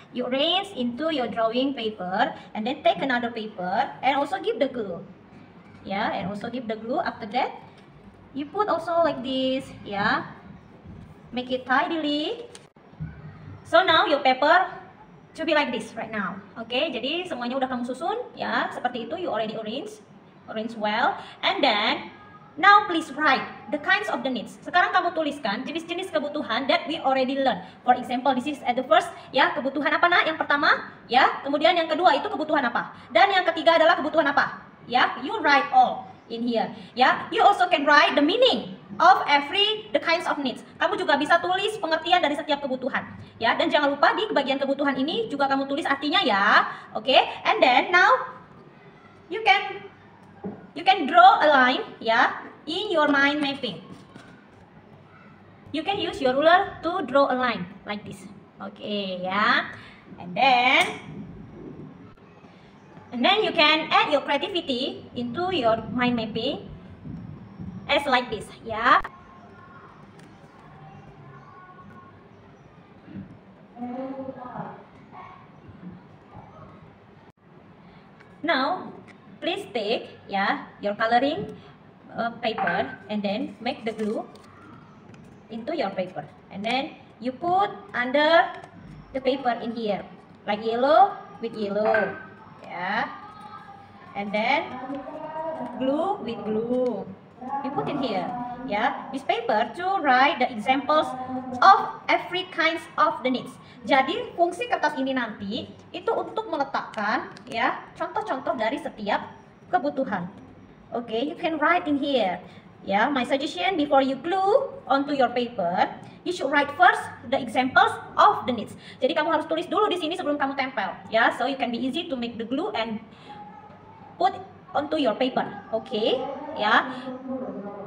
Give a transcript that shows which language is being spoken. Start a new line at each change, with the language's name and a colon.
English: You arrange into your drawing paper, and then take another paper and also give the glue. Ya, and also give the glue. After that, you put also like this, ya. Make it tidily. So now your paper to be like this right now.
Indonesian: Okay, jadi semuanya udah kamu susun, ya, seperti itu.
English: You already arrange well, and then now please write the kinds of the needs.
Indonesian: Sekarang kamu tuliskan jenis-jenis kebutuhan
English: that we already learn. For example, this is at the first,
Indonesian: ya, kebutuhan apa, Nak? Yang pertama, ya, kemudian yang kedua itu kebutuhan apa, dan yang ketiga adalah kebutuhan apa, ya.
English: You write all in here, ya. You also can write the meaning of every the kinds of needs.
Indonesian: Kamu juga bisa tulis pengertian dari setiap kebutuhan, ya. Dan jangan lupa di bagian kebutuhan ini juga kamu tulis artinya, ya.
English: Oke, okay? And then now you can draw a line, ya, in your mind mapping. You can use your ruler to draw a line like this. Oke, okay, ya. And then you can add your creativity into your mind mapping as like this, ya. Now please take, ya, your coloring paper and then make the glue into your paper. And then you put under the paper in here. Like yellow with yellow. Yeah. And then glue with glue. You put in here. Yeah. This paper to write the examples of every kinds of the needs.
Indonesian: Jadi fungsi kertas ini nanti itu untuk meletakkan ya contoh-contoh dari setiap kebutuhan.
English: Okay, you can write in here. Yeah, my suggestion before you glue onto your paper, you should write first the examples of the needs.
Indonesian: Jadi kamu harus tulis dulu di sini sebelum kamu tempel.
English: Yeah, so you can be easy to make the glue and put onto your paper. Okay, yeah.